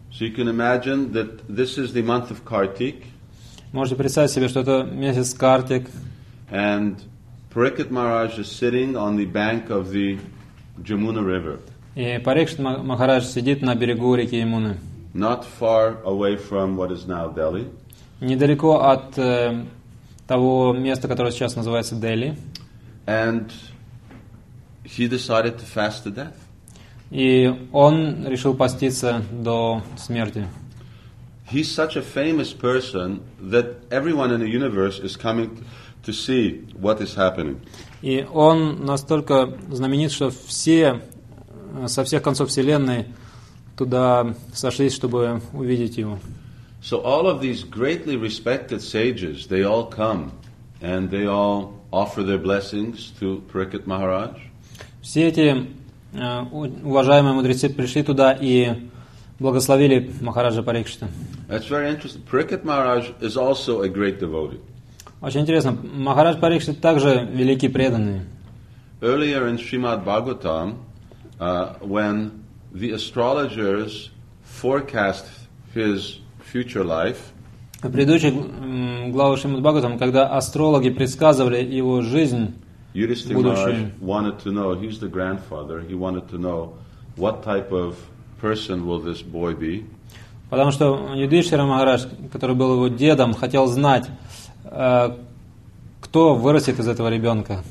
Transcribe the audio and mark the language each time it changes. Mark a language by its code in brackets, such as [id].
[en] So you can imagine that this is the month of Kartik. [ru] Можете представить себе, что это месяц Картик. [en] And Parikshit Maharaj is sitting on the bank of the Jamuna River. [ru] И Парикшит Махарадж сидит на берегу реки Ямуны. [en] Not far away from what is now Delhi. [ru] Недалеко от того места, которое сейчас называется Дели. [en] And he decided to fast to death. [ru] И он решил поститься до смерти. [en] He's such a famous person that everyone in the universe is coming to see what is happening. [ru] И он настолько знаменит, что все со всех концов вселенной туда сошлись, чтобы увидеть его. [en] So all of these greatly respected sages, they all come and they all offer their blessings to Parikshit Maharaj. [ru] Все эти уважаемые мудрецы пришли туда и благословили Махараджа Парикшита. [en] That's very interesting. Parikshit Maharaj is also a great devotee. [ru] Очень интересно. Махарадж Парикшит также великий преданный. [en] Earlier in Srimad Bhagavatam, when the astrologers forecast his future life. [ru] В предыдущих главах Шримад Бхагаватам, когда астрологи предсказывали его жизнь будущую. [en] Yudhishthira Maharaj wanted to know. He's the grandfather. He wanted to know what type of person will this boy be? [ru] Потому что Юдхиштхира Махарадж, который был его дедом, хотел знать, кто вырастет из этого ребенка.